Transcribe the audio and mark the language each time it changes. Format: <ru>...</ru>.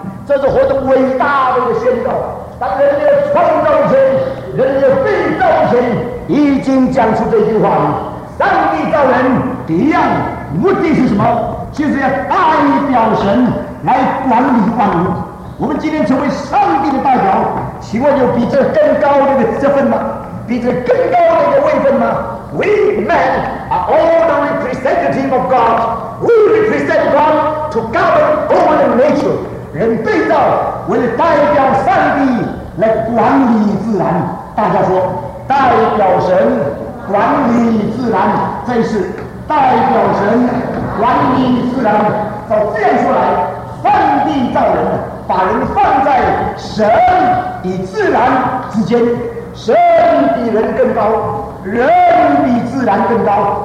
<zh>这是何等伟大的一个宣告！当人类创造前，人类被造前，已经讲出这句话了。上帝造人，第一样目的是什么？就是要大于表神来管理万物。我们今天成为上帝的代表，请问有比这更高的个职分吗？比这更高的个位分吗？</zh> <en>We men are all the representative of God. We represent God to govern over the nature.</en> <zh>人被造为了代表上帝来管理自然。大家说，代表神管理自然，真是代表神管理自然。照这样说来，上帝造人，把人放在神与自然之间，神比人更高，人比自然更高。</zh>